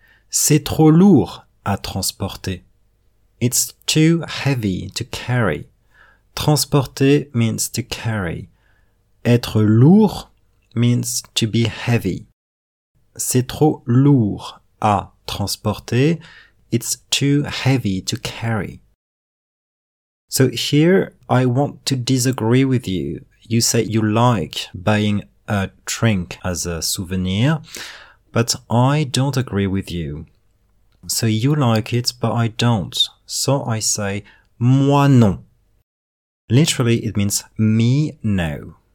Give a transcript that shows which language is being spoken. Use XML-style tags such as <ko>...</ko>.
<fr>C'est trop lourd à transporter.</fr> <en>It's too heavy to carry. Transporter means to carry. Être lourd means to be heavy.</en> <fr>C'est trop lourd à transporter.</fr> <en>It's too heavy to carry. So here, I want to disagree with you. You say you like buying a drink as a souvenir, but I don't agree with you. So you like it, but I don't. So I say,</en> <fr>moi non.</fr> <en>Literally, it means me no.</en>